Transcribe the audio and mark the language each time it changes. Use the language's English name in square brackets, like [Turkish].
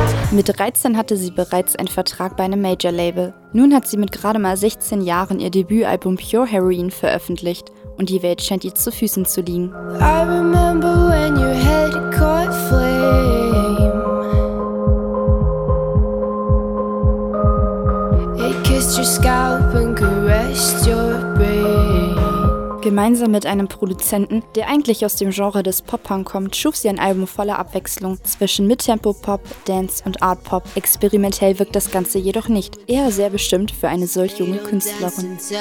[German] Mit 13 hatte sie bereits einen Vertrag bei einem Major-Label. Nun hat sie mit gerade mal 16 Jahren ihr Debütalbum Pure Heroin veröffentlicht und die Welt scheint ihr zu Füßen zu liegen. [English] I remember when your head caught flame. It kissed your scalp and caressed your brain. [German] Gemeinsam mit einem Produzenten, der eigentlich aus dem Genre des Pop-Punk kommt, schuf sie ein Album voller Abwechslung zwischen Midtempo-Pop, Dance und Art-Pop. Experimentell wirkt das Ganze jedoch nicht, eher sehr bestimmt für eine solch junge Künstlerin.